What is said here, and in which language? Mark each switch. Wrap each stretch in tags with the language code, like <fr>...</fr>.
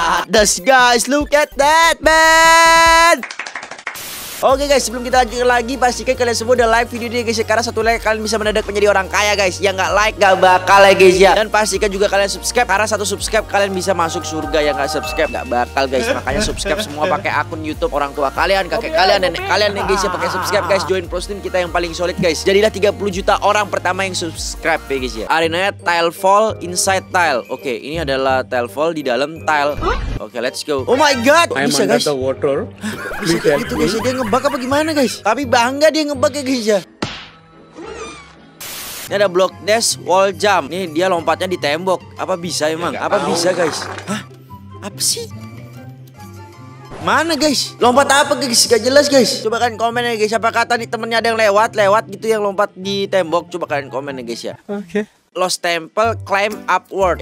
<en>This guys, look at that man.</en> <id>Oke guys, sebelum kita lanjut lagi, pastikan kalian semua udah like video ini guys ya. Karena satu like kalian bisa mendadak menjadi orang kaya guys. Yang gak like gak bakal ya guys ya. Dan pastikan juga kalian subscribe, karena satu subscribe kalian bisa masuk surga. Yang gak subscribe gak bakal guys. Makanya subscribe semua, pakai akun YouTube orang tua kalian, kakek kalian, nenek kalian ya guys ya. Pakai subscribe guys, join pro stream kita yang paling solid guys. Jadilah 30 juta orang pertama yang subscribe ya guys ya. Arenanya tile fall inside tile. Oke, ini adalah tile fall di dalam tile.</id> <en>Oke, let's go. Oh my god,</en> <id>bisa guys.</id> <en>I'm under the water.</en> <id>Bisa gitu guys ya, dia ngebug apa gimana guys? Tapi bangga dia ngebug ya guys ya. Ini ada block dash wall jump. Nih dia lompatnya di tembok. Apa bisa emang? Ya, apa tahu. Bisa guys? Hah? Apa sih? Mana guys? Lompat apa guys? Gak jelas guys. Coba kalian komen ya guys. Apa kata nih temennya ada yang lewat? Lewat gitu yang lompat di tembok. Coba kalian komen ya guys ya. Oke. Okay.</id> <en>Lost Temple climb upward.</en>